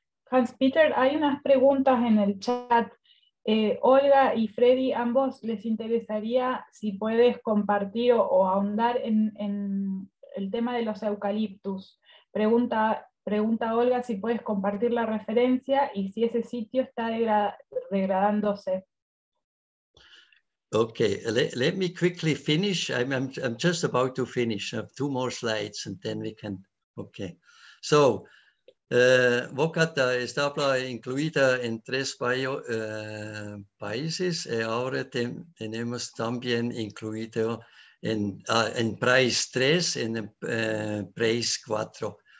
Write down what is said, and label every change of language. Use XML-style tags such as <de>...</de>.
<es>Hans Peter, hay unas preguntas en el chat. Olga y Freddy, ambos les interesaría si puedes compartir o ahondar en el tema de los eucaliptus. Pregunta Olga si puedes compartir la referencia y si ese sitio está degradándose.</es> <en>Okay, let me quickly finish. I'm just about to finish. I have two more slides and then we can. Okay, so</en> <es>Vocata está incluida en tres países y ahora tenemos también incluido en Price 3 en Price 4.</es>